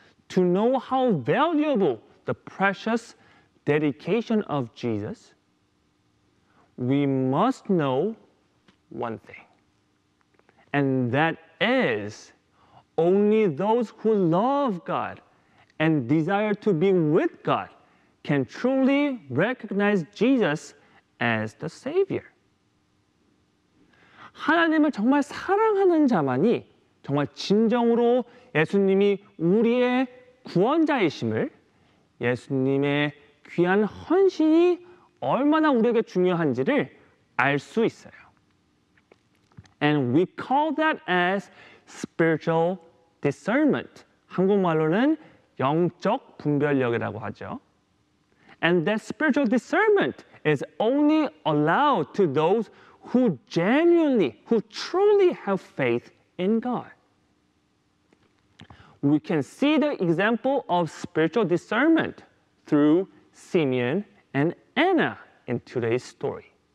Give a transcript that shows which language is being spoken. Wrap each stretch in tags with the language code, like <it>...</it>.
<en>To know how valuable the precious dedication of Jesus, we must know one thing, and that is only those who love God and desire to be with God can truly recognize Jesus as the Savior.</en> <ko>하나님을 정말 사랑하는 자만이 정말 진정으로 예수님이 우리의 구원자이심을, 예수님의 귀한 헌신이 얼마나 우리에게 중요한지를 알 수 있어요.</ko> <en>And we call that as spiritual discernment.</en> <ko>한국말로는 영적 분별력이라고 하죠.</ko> <en>And that spiritual discernment is only allowed to those who genuinely, who truly have faith in God. We can see the example of spiritual discernment through Simeon and Anna in today's story.</en>